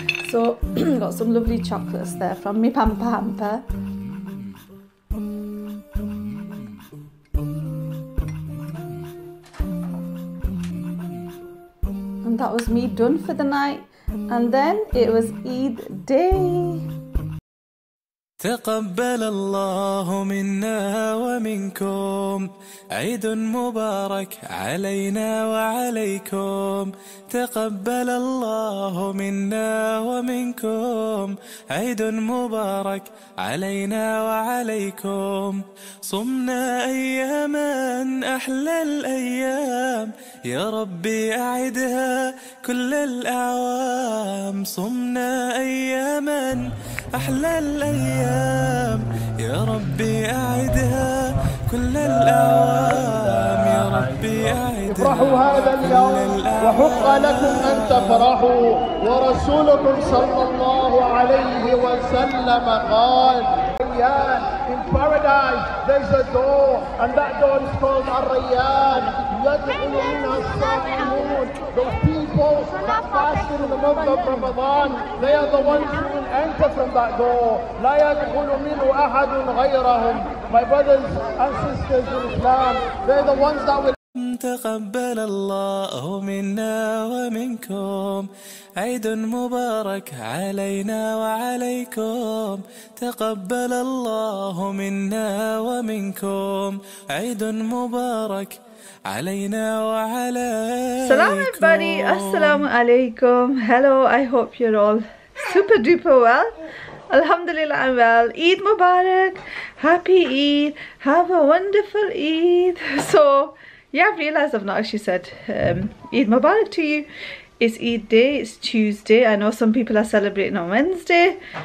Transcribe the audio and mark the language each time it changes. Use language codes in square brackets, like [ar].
[en] So got some lovely chocolates there from me pamper hamper. That was me done for the night, and then it was Eid day. [ar] تقبل الله منا ومنكم عيد مبارك علينا وعليكم تقبل الله منا ومنكم عيد مبارك علينا وعليكم صمنا أياما أحلى الأيام يا ربي أعدها كل الأعوام صمنا أياما أحلى الأيام يا ربي أعدها كل الأعوام يا ربي أعدها [en] افرحوا هذا اليوم وحق لكم أن تفرحوا ورسولكم صلى الله عليه وسلم قال ريان in paradise there's a door and that door is called الريان يدخل منها الصالحون those people that fasted in the month of Ramadan they are the ones who will enter from that door لا يدخل منه أحد غيرهم my brothers and sisters in Islam they're the ones that will [ar] تقبل الله منا ومنكم عيد مبارك علينا وعليكم تقبل الله منا ومنكم عيد مبارك علينا وعليكم [en] Salam everybody, Assalamu alaikum. Hello, I hope you're all super duper well. Alhamdulillah, I'm well. Eid Mubarak, happy Eid, have a wonderful Eid. So yeah, I've realised I've not actually said Eid Mubarak to you. It's Eid day, it's Tuesday. I know some people are celebrating on Wednesday.